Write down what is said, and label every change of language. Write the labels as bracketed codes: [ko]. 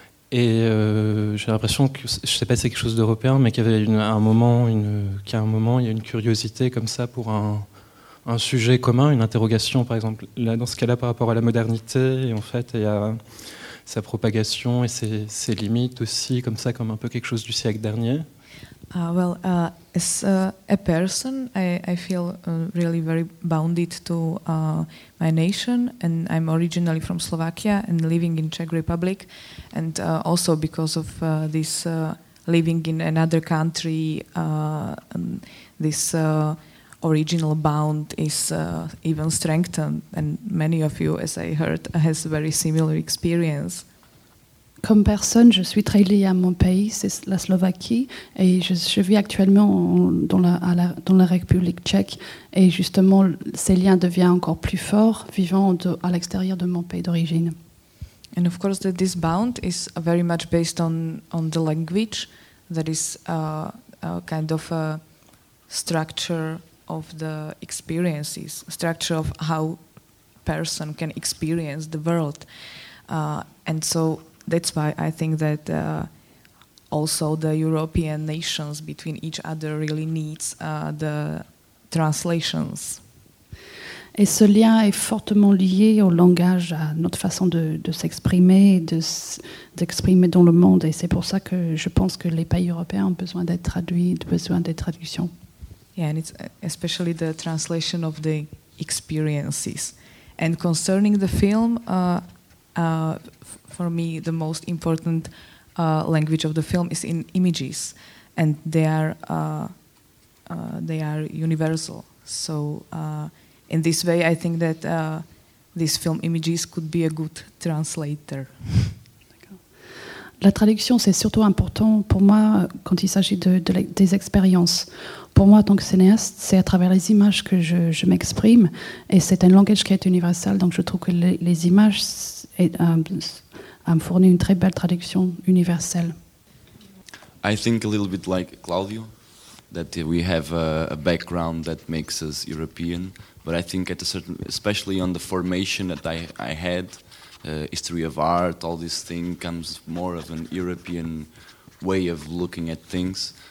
[fr] Et j'ai l'impression que, je ne sais pas si c'est quelque chose d'européen, mais qu'il y avait qu'à un moment, il y a une curiosité comme ça pour un sujet commun, une interrogation, par exemple, là, dans ce cas-là, par rapport à la modernité, et en fait, il y a sa propagation et ses limites aussi, comme ça, comme un peu quelque chose du siècle dernier. [en] As a person, I feel really very bounded to my nation, and I'm originally from Slovakia and living in Czech Republic, and also because of this living in another country, this original bond is even strengthened, and many of you, as I heard, has a very similar experience. [fr] Comme personne, je suis très liée à mon pays, c'est la Slovaquie, et je vis actuellement dans la République tchèque, et justement, ces liens deviennent encore plus forts vivant à l'extérieur de mon pays d'origine. [en] And of course, that this bond is very much based on the language, that is a kind of a structure of the experiences, structure of how person can experience the world, and so. That's why I think that also the European nations between each other really needs the translations. [fr] Et ce lien est fortement lié au langage, à notre façon de s'exprimer, d'exprimer dans le monde. Et c'est pour ça que je pense que les pays européens ont besoin d'être traduits, besoin des traductions. [en] Yeah, and it's especially the translation of the experiences. And concerning the film, for me, the most important language of the film is in images, and they are universal. So in this way, I think that these film images could be a good translator. [fr] La traduction, c'est surtout important pour moi quand il s'agit des expériences. Pour moi, en tant que cinéaste, c'est à travers les images que je m'exprime, et c'est un langage qui est universel, donc je trouve que les images fournissent une très belle traduction universelle. [en] I think a little bit like Claudio, that we have a background that makes us European, but I think at a certain, especially on the formation that I had, history of art, all this thing comes more of an European way of looking at things.